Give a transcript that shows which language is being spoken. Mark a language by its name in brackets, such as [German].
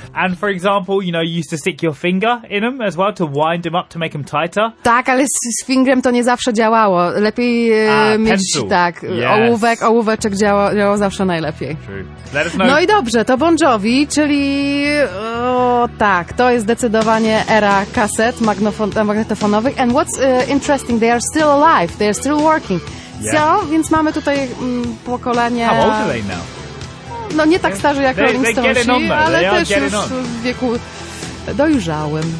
[English] And for example, you know, you used to stick your finger in them as well to wind them up to make them tighter. [Polish] Tak, ale z fingrem to nie zawsze działało. Lepiej mieć [English] pencil. [Polish] Tak, [English] yes. [Polish] Ołóweczek działało zawsze najlepiej. [English] True. Let us know. [Polish] No i dobrze, to Bon Jovi, czyli tak, to jest zdecydowanie era kaset magnetofonowych. [English] And what's interesting, they are still alive, they are still working. Yeah. So, [Polish] więc mamy tutaj pokolenie. [English] How old are they now? [Polish] No nie tak starzy jak Rolling Stones, ale też już w wieku dojrzałym.